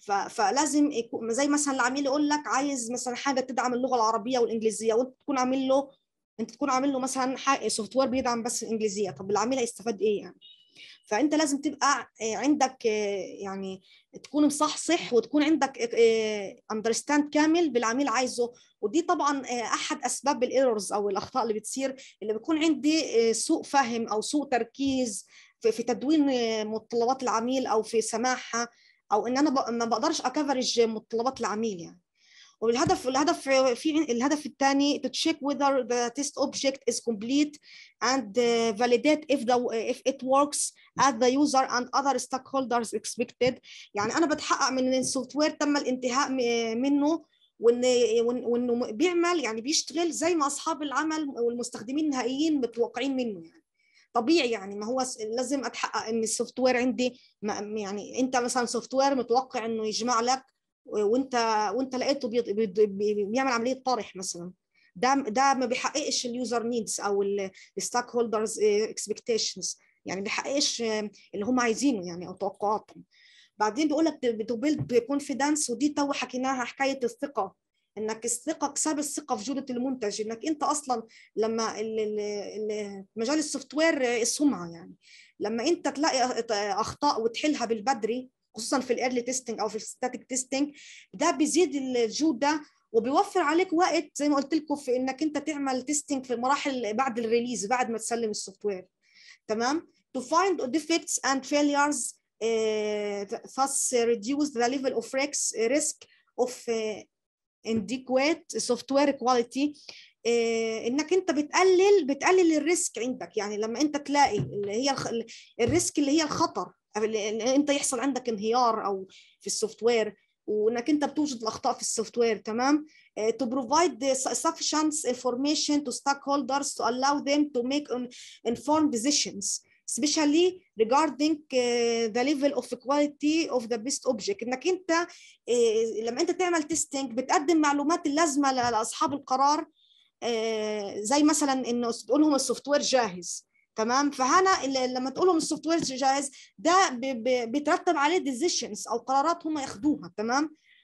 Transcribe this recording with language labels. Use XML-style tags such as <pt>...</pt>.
<ar>فلازم زي مثلا العميل يقول لك عايز مثلا حاجه تدعم اللغه العربيه والانجليزيه، وانت تكون عامل له مثلا سوفت وير بيدعم بس الانجليزيه، طب العميل هيستفاد ايه يعني؟ فانت لازم تبقى عندك يعني تكون مصحصح وتكون عندك اندرستاند كامل بالعميل عايزه. ودي طبعا احد اسباب الايرورز او الاخطاء اللي بتصير، اللي بيكون عندي سوء فهم او سوء تركيز في تدوين متطلبات العميل او في سماعها، او ان انا ما بقدرش اكفرج متطلبات العميل يعني. والهدف الهدف في الهدف الثاني</ar> <en>to check whether the test object is complete and validate if the if it works as the user and other stakeholders expected.</en> <ar>يعني انا بتحقق من ان السوفت وير تم الانتهاء منه، وانه بيعمل يعني بيشتغل زي ما اصحاب العمل والمستخدمين النهائيين متوقعين منه يعني. طبيعي يعني، ما هو لازم اتحقق ان السوفت وير عندي يعني. انت مثلا سوفت وير متوقع انه يجمع لك، وانت لقيته بيعمل عمليه طرح مثلا، ده ما بيحققش اليوزر نيدز او الستاك هولدرز اكسبكتيشنز يعني، بيحققش اللي هم عايزينه يعني او توقعاتهم. بعدين بيقول لك</ar> <en>to build confidence,</en> <ar>ودي تو حكيناها، حكايه الثقه، انك الثقه كسب الثقه في جوده المنتج، انك انت اصلا لما مجال السوفت وير السمعه يعني، لما انت تلاقي اخطاء وتحلها بالبدري خصوصا في الايرلي تيستينج او في الستاتيك تيستينج، ده بيزيد الجوده وبيوفر عليك وقت زي ما قلت لكم في انك انت تعمل تيستينج في مراحل بعد الريليز، بعد ما تسلم السوفت وير. تمام.</ar> <en>To find defects and failures thus reduce the level of risk of inadequate software quality.</en> <ar>انك انت بتقلل الريسك عندك يعني، لما انت تلاقي اللي هي الريسك اللي هي الخطر، انت يحصل عندك انهيار او في السوفت وير، وانك انت بتوجد الاخطاء في السوفت وير. تمام.</ar> <en>To provide sufficient information to stakeholders to allow them to make informed decisions especially regarding the level of quality of the best object.</en> <ar>انك انت لما انت تعمل تيستينج بتقدم معلومات اللازمه لاصحاب القرار، زي مثلا انه تقول لهم السوفت وير جاهز. تمام. فهنا لما تقول لهم السوفت وير جاهز، ده بيترتب عليه decisions او قرارات هم ياخدوها. تمام.</ar>